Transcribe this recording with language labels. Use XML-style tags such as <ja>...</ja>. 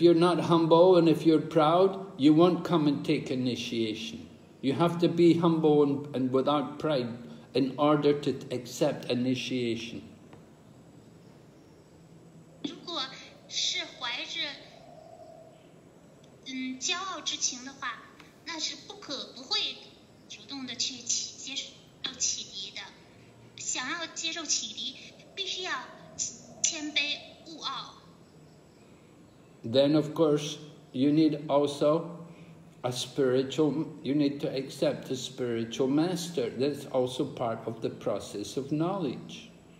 <en>you're not humble and if you're proud, you won't come and take initiation. You have to be humble and without pride in order to accept initiation.</en> <zh>如果是怀着骄傲之情的话，那是不可不会主动的去接受启迪的。想要接受启迪，必须要谦卑勿傲。</zh> <en>Then of course, you need also a spiritual, you need to accept a spiritual master. That's also part of the process of knowledge.</en>